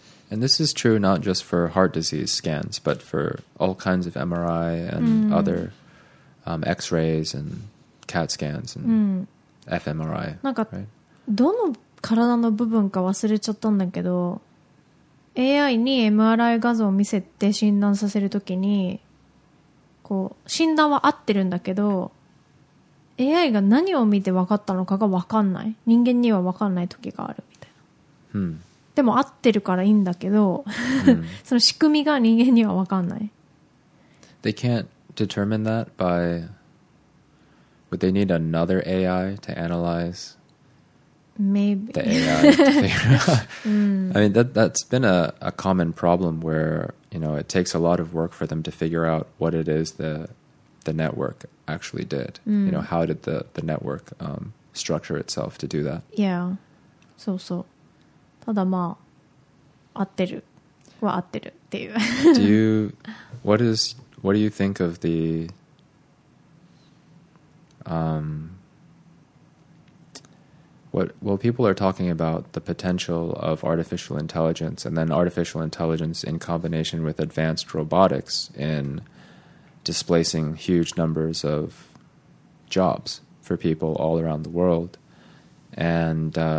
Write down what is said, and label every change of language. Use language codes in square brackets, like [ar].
[en] And this is true not just for heart disease scans, but for all kinds of MRI and other X-rays and CAT scans and fMRI. [ja] なんか、どの体の部分か忘れちゃったんだけど、AI に MRI 画像を見せて診断させるときに、こう、診断は合ってるんだけど、AI が何を見て分かったのかが分かんない。人間には分かんないときがあるみたいな。でも合ってるからいいんだけど、その仕組みが人間には分かんない。 [en] They can't determine that by... Would they need another AI to analyze? Maybe. The AI to figure out. I mean, that's been a common problem where, you know, it takes a lot of work for them to figure out what it is the network actually did. You know, how did the network structure itself to do that? Yeah. So, so. [ja] ただまあ合ってるは合ってるっていう。 [en] What do you think of the what people are talking about the potential of artificial intelligence and then artificial intelligence in combination with advanced robotics in displacing huge numbers of jobs for people all around the world and.